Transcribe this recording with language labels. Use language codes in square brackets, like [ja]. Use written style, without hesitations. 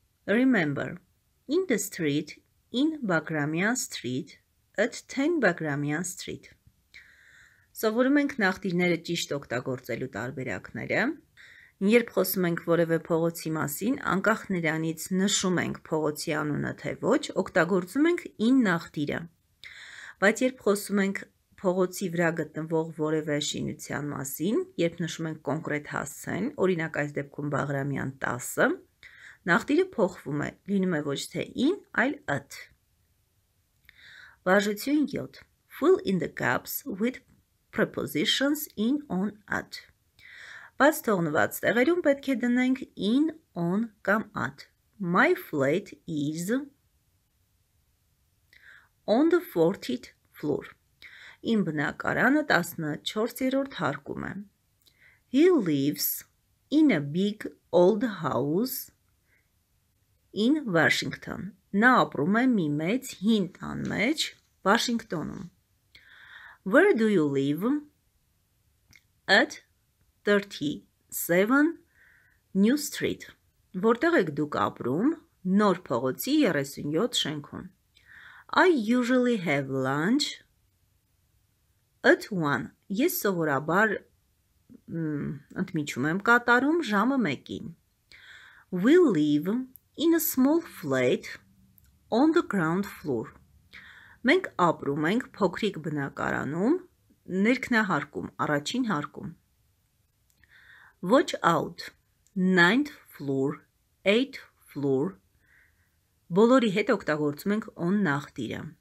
[en] Remember, in the street, in Bagramian Street, at 10 Bagramian Street. [hy] Սովորում ենք նախտիրները ճիշտ օգտագործելու տարբերակները. Երբ խոսում ենք որևէ փողոցի մասին, անկախ նրանից նշում ենք փողոցի անունը թե ոչ, օգտագործում ենք in նախտիրը. Բայց երբ խոսում ենք փողոցի վրա գտնվող որևէ շինության մասին, երբ նշում ենք կոնկրետ հասցեն, օրինակ այս դեպքում Բաղրամյան 10-ը, նախտիրը փոխվում է, լինում է ոչ թե in, այլ at. Վարժություն 7. [en] Fill in the gaps with prepositions in, on, at. [hy] Բաց թողնված տեղերում պետք է դնենք in, on կամ at. [en] My flat is on the 40th floor. [hy] Իմ բնակարանը 14-րդ հարկում է. [en] He lives in a big old house in Washington. [hy] Նա ապրում է մի մեծ հին տան մեջ, Վաշինգտոնում. [en] Where do you live? At 37 New Street. [hy] Որտեղ եք դուք ապրում? Նոր փողոցի 37 շենքում. [en] I usually have lunch at 1. [hy] Ես սովորաբար ընդմիջում եմ կատարում ժամը 1-ին. [en] We live in a small flat on the ground floor. [hy] Մենք ապրում ենք փոքրիկ բնակարանում, ներքնահարկում, առաջին հարկում. [en] Watch out. 9th floor, 8th floor. [hy] Բոլորի հետ օգտագործում ենք on նախտիրը.